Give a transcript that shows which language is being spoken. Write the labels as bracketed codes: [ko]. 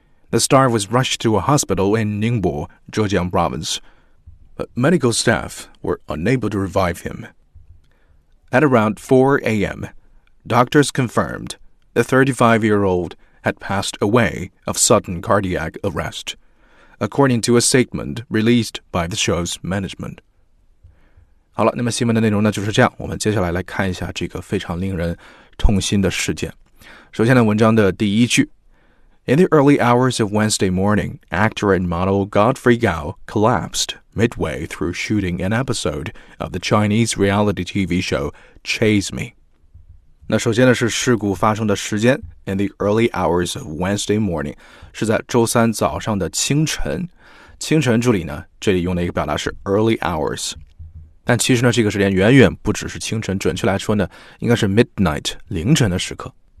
[en] The star was rushed to a hospital in Ningbo, Zhejiang Province, but medical staff were unable to revive him. At around 4 a.m., doctors confirmed. The 35-year-old had passed away of sudden cardiac arrest, according to a statement released by the show's management. [zh] 好了，那么新闻的内容呢就是这样。我们接下来来看一下这个非常令人痛心的事件。首先呢，文章的第一句 [en] ：In the early hours of Wednesday morning, actor and model Godfrey Gao collapsed midway through shooting an episode of the Chinese reality TV show Chase Me. [zh] 那首先呢是事故发生的时间 [en] in the early hours of Wednesday morning, [zh] 是在周三早上的清晨。清晨助理呢这里用的一个表达是 early hours。但其实呢这个时间远远不只是清晨，准确来说呢应该是 midnight, 凌晨的时刻。